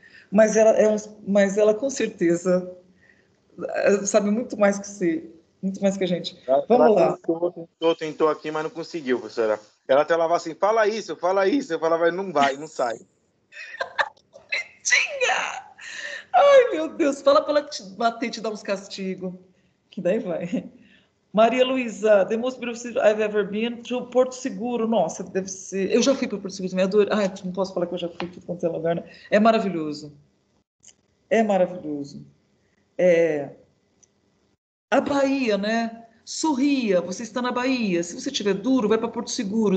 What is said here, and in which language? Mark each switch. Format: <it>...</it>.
<pt>Mas ela com certeza sabe muito mais que a gente. Vamos lá. Tentou aqui, mas não conseguiu, professora. Ela até falava assim, fala isso, eu falava, não vai, não sai. Bonitinha! Ai, meu Deus, fala para ela te bater, te dar uns castigos, que daí vai.</pt> <en>Maria Luísa, the most beautiful I've ever been to Porto Seguro.</en> <pt>Nossa, deve ser... Eu já fui para Porto Seguro também, adoro. Ai, não posso falar que eu já fui para qualquer lugar, né? É maravilhoso. É maravilhoso. É... A Bahia, né? Sorria, você está na Bahia. Se você estiver duro, vai para Porto Seguro.</pt>